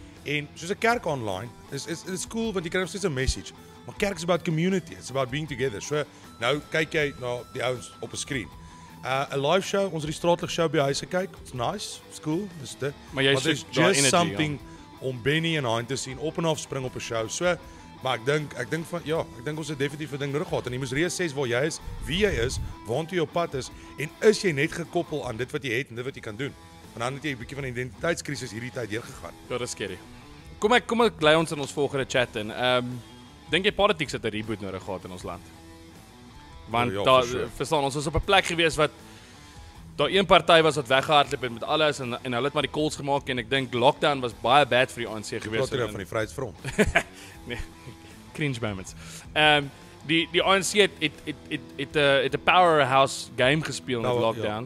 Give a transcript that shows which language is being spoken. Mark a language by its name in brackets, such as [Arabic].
[Afrikaans] En soos 'n kerk online, is cool, want jy kry nog steeds 'n message. Maar kerk [English] is about community, it's about being together. [Afrikaans] So, nou kyk jy na die ouens op 'n screen. 'N live show, ons het die straatlig show by huis gekyk. [English] It's nice, it's cool. [Afrikaans] Dis dit. Maar jy sê [English] just something [Afrikaans] om Benny en Hein te sien op en af spring op 'n show. So, maar ek dink van ja, ek dink ons het definitief 'n ding nodig gehad en jy moes reeds sê waar jy is, wie jy is, waartoe jou pad is en is jy net gekoppel aan dit wat jy het en dit wat jy kan doen. En dan het jy 'n bietjie van 'n identiteitskrisis hierdie tyd deurgegaan. Ja, dis scary. Kom ek lei ons in ons volgende chat in. Dink jy politiek het 'n reboot nodig gehad in ons land? Want ja, daar, verstaan, ons was op 'n plek gewees wat daar een partij was wat weggehardloop het met alles en hulle het maar die calls gemaak en ek dink lockdown was baie bad vir die ANC gewees. Die platere van die Vryheidsfront. Nee, [English] cringe moments. [Afrikaans] Die ANC het [English] a powerhouse game [Afrikaans] gespeel met lockdown.